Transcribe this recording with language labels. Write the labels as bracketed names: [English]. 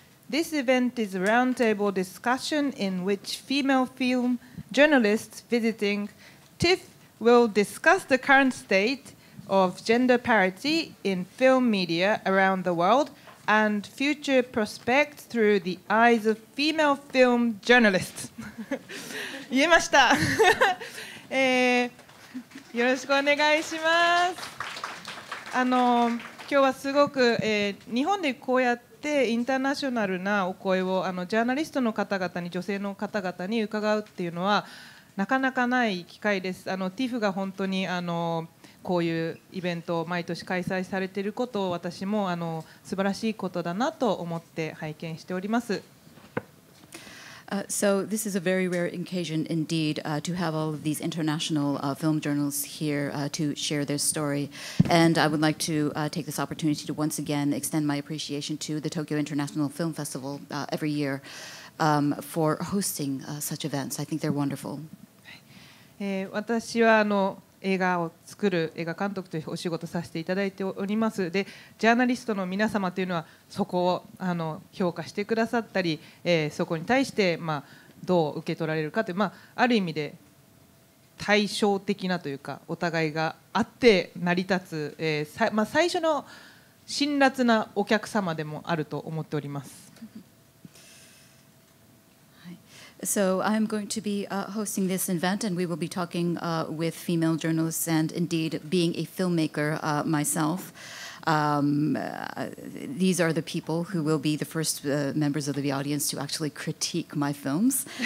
[English] This event is a roundtable discussion in which female film journalists visiting TIFF will discuss the current state of gender parity in film media around the world and future prospects through the eyes of female film journalists. [Japanese] 言えました、よろしくお願いします。今日はすごく、日本でこうやってインターナショナルなお声をジャーナリストの方々に、女性の方々に伺うっていうのはなかなかない機会です。 TIFFが本当にこういうイベントを毎年開催されていることを私も素晴らしいことだなと思って拝見しております。 [English] So this is a very rare occasion indeed to have all of these international film journalists here to share their story. And I would like to take this opportunity to once again extend my appreciation to the Tokyo International Film Festival every year for hosting such events. I think they're wonderful. [Japanese] 私は映画を作る映画監督というお仕事をさせていただいております。でジャーナリストの皆様というのはそこを評価してくださったり、そこに対して、どう受け取られるかという、ある意味で対照的なというかお互いがあって成り立つ、最初の辛辣なお客様でもあると思っております。 [English] So I'm going to be hosting this event and we will be talking with female journalists and indeed being a filmmaker myself. These are the people who will be the first members of the audience to actually critique my films.